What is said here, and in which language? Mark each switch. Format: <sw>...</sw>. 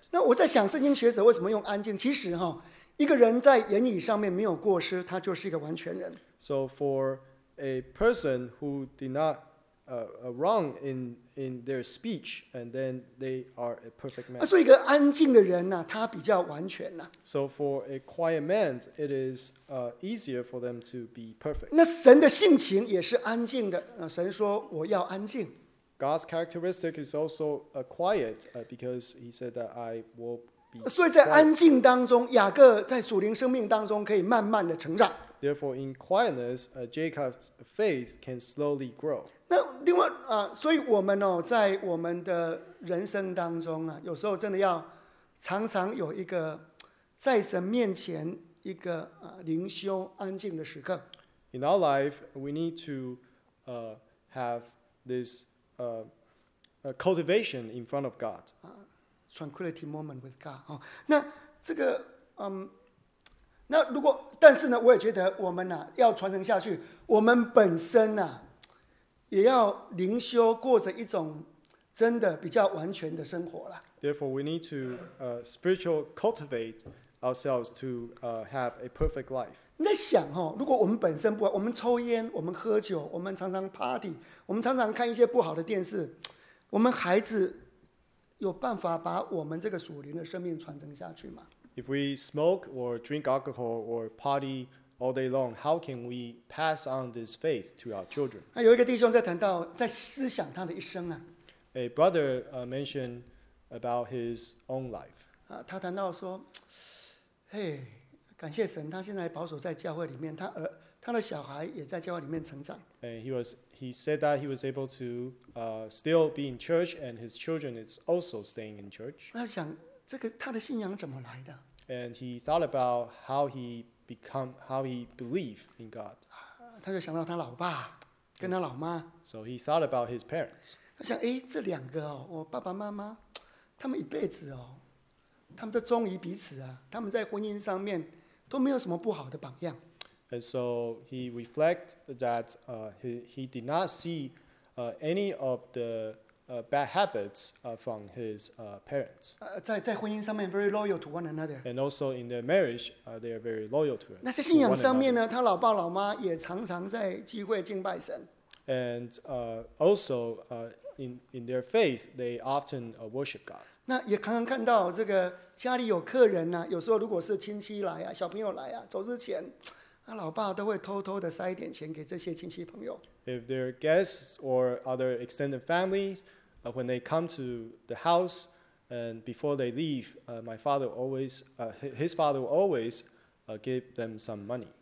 <zh>那我在想圣经学者为什么用安静，其实一个人在言语上面没有过失，他就是一个完全人。</zh> <en>So for a person who did not wrong in their speech and then they are a perfect man.</en> <zh>所以一个安静的人他比较完全</zh> <en>So for a quiet man it is easier for them to be perfect.</en> <zh>那神的性情也是安静的神说我要安静。</zh> <en>God's characteristic is also quiet because he said that I will be quiet.</en> <zh>所以在安静当中，雅各在属灵生命当中可以慢慢的成长。</zh> <en>Therefore, in quietness, Jacob's faith can slowly grow.</en> <zh>那另外所以我们在我们的人生当中有时候真的要常常有一个在神面前一个灵修安静的时刻。</zh> <en>In our life, we need to have this. Cultivation in front of God. Tranquility moment with God.</en> <zh>那这个那如果但是呢，我也觉得我们要传承下去，我们本身也要灵修，过着一种真的比较完全的生活了。</zh> <en>Therefore, we need to spiritual cultivate ourselves to have a perfect life.</en> <zh>你在想如果我们本身不好，我们抽烟，我们喝酒，我们常常 party， 我们常常看一些不好的电视，我们孩子有办法把我们这个属灵的生命传承下去吗？</zh> <en>If we smoke or drink alcohol or party all day long, how can we pass on this faith to our children?</en> <zh>有一个弟兄在谈到在思想他的一生啊。</zh> <en>A brother mentioned about his own life.</en> <zh>他谈到说，感谢神，他现在保守在教会里面，他的小孩也在教会里面成长。</zh> <en>And he said that he was able to still be in church, and his children is also staying in church.</en> <zh>他想这个他的信仰怎么来的</zh> <en>？And he thought about how he believed in God.</en> <zh>他就想到他老爸跟他老妈。</zh> <en>So he thought about his parents.</en> <zh>他想，这两个我爸爸妈妈，他们一辈子他们都忠于彼此他们在婚姻上面都没有什么不好的榜样。</zh> <en>And so he reflected that he did not see any of the bad habits from his parents.</en> <zh>在婚姻上面</zh> <en>very loyal to one another. And also in their marriage, they are very loyal to one another.</en> <zh>那在信仰上面呢，他老爸老妈也常常在聚会敬拜神。</zh> <en>And also in their faith, they often worship God.</en> <zh>那也常常看到这个家里有客人有时候如果是亲戚来小朋友来走之前。那老爸都会偷偷的塞一点钱给这些亲戚朋友。</zh> <en>If their guests or other extended families, when they come to the house and before they leave, his father will always give them some money.</en>